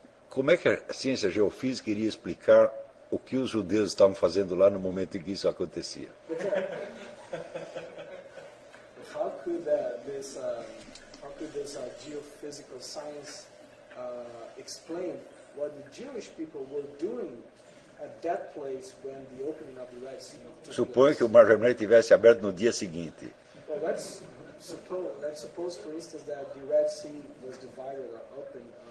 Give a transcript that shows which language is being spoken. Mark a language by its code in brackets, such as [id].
[pt] Como é que a ciência geofísica iria explicar o que os judeus estavam fazendo lá no momento em que isso acontecia? [en] How could this geophysical science explain what the Jewish people were doing at that place when the opening of the Red Sea took place? [pt] Suponha que o Mar Vermelho tivesse aberto no dia seguinte. [en] Well, let's suppose, for instance, that the Red Sea was divided or open.